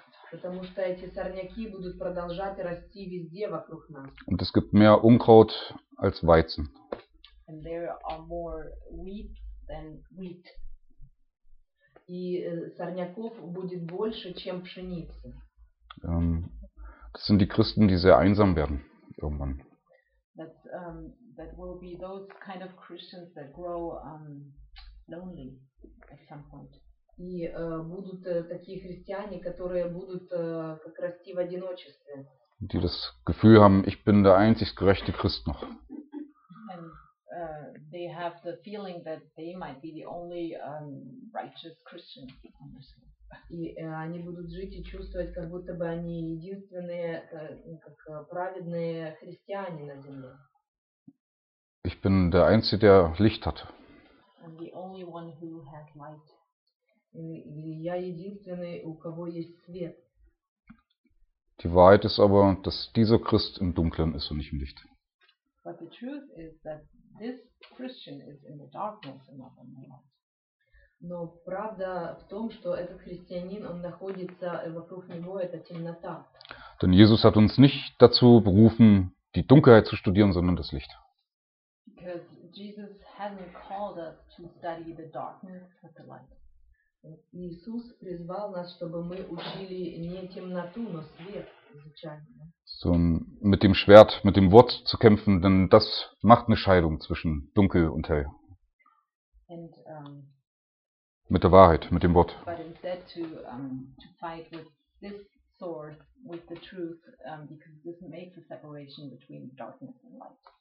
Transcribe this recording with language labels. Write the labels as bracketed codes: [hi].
[ru] Потому что эти сорняки будут продолжать расти везде вокруг нас. [de] Und es gibt mehr Unkraut als Weizen. [en] And there are more wheat than wheat. [ru] И сорняков будет больше, чем пшеницы. [de] Das sind die Christen, die sehr einsam werden irgendwann. [en] That will be those kind of Christians that grow lonely at some point. [ru] И будут такие христиане, которые будут как расти в одиночестве. [de] Die das Gefühl haben, ich bin der einzig gerechte Christ noch. [en] They have the feeling that they might be the only righteous Christian. [ru] И они будут жить и чувствовать, как будто бы они единственные как праведные христиане на земле. [de] Ich bin der Einzige, der Licht hat. [en] I'm the only one who has light. [ru] Я единственный, у кого есть свет. [de] Die Wahrheit ist aber, dass dieser Christ im Dunkeln ist und nicht im Licht. [en] But the truth is that this Christian is in the darkness and not in the light. [ru] Но правда в том, что этот христианин, он находится вокруг него, это темнота. [de] Denn Jesus hat uns nicht dazu berufen, die Dunkelheit zu studieren, sondern das Licht. [en] Because Jesus hasn't called us to study the darkness, but the light. [ru] Иисус призвал нас, чтобы мы учили не темноту, но свет изучали. [de] So, mit dem Schwert, mit dem Wort zu kämpfen, denn das macht eine Scheidung zwischen Dunkel und Hell. [en] And, [de] mit der Wahrheit, mit dem Wort. [en] But instead to fight with this sword, with the truth, because this makes a separation between darkness and light.